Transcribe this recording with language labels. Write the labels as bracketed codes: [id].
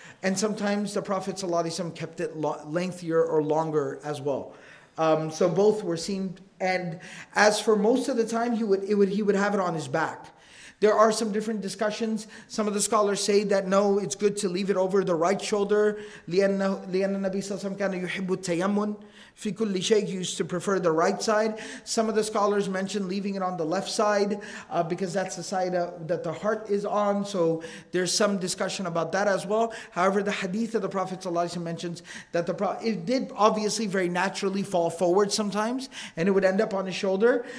[en] And sometimes the Prophet ﷺ kept it lengthier or longer as well. So both were seen. And as for most of the time, he would have it on his back. There are some different discussions. Some of the scholars say that no, it's good to leave it over the right shoulder. [ar] لأن النبي صلى الله عليه وسلم كان يحب التيمن في كل شيء. [en] He used to prefer the right side. Some of the scholars mention leaving it on the left side because that's the side that the heart is on. So there's some discussion about that as well. However, the hadith of the Prophet ﷺ mentions that it did obviously very naturally fall forward sometimes and it would end up on his shoulder.